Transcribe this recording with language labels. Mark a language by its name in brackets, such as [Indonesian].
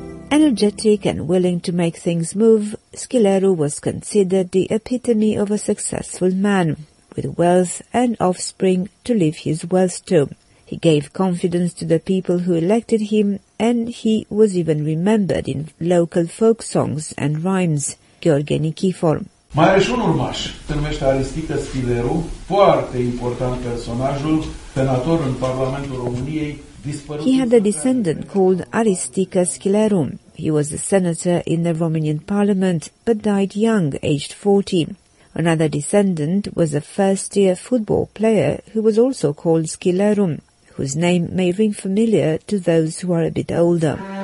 [English] Energetic and willing to make things move, Schileru was considered the epitome of a successful man, with wealth and offspring to leave his wealth to. He gave confidence to the people who elected him, and he was even remembered in local folk songs and rhymes. Gheorghe Nichifor. [Romanian] Mai are și un urmaș, se numește Aristide Schileru, foarte important personajul, senator în Parlamentul României. [English] He had a descendant called Aristica Schileru. He was a senator in the Romanian parliament, but died young, aged 40. Another descendant was a first-year football player who was also called Schileru, whose name may ring familiar to those who are a bit older.